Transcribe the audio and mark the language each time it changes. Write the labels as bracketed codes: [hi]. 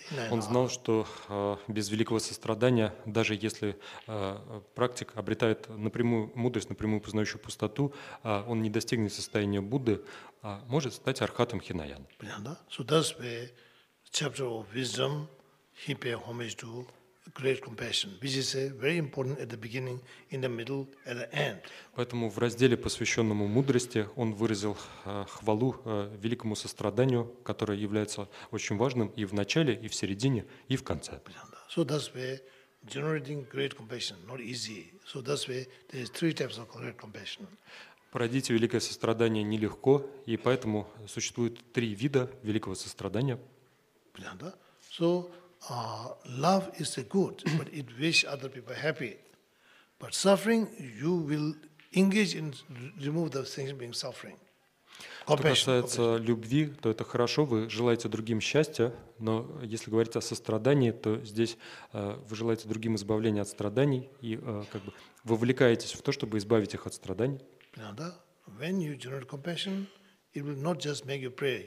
[ru] Он знал, что без великого сострадания, даже если практик обретает напрямую мудрость, напрямую познающую пустоту, он не достигнет состояния Будды, а может стать архатом Хинаян. [en] So that's the chapter of wisdom, he pay homage to great compassion, which is very important at the beginning, in the middle, at the end. [ru] Поэтому в разделе, посвященном мудрости, он выразил хвалу великому состраданию, которое является очень важным и в начале, и в середине, и в конце. [en] So that's why generating great compassion not easy. So that's why there is three types of great compassion. [ru] Породить великое сострадание нелегко, и поэтому существует три вида великого сострадания. Понятно? [en] So love is a good, but it wish other people happy. But suffering, you will engage in remove the things being suffering. Compassion. [ru] Что касается любви, то это хорошо, вы желаете другим счастья, но если говорить о сострадании, то здесь вы желаете другим избавления от страданий и как бы вовлекаетесь в то, чтобы избавить их от страданий. Понятно? [en] When you generate compassion, it will not just make you pray.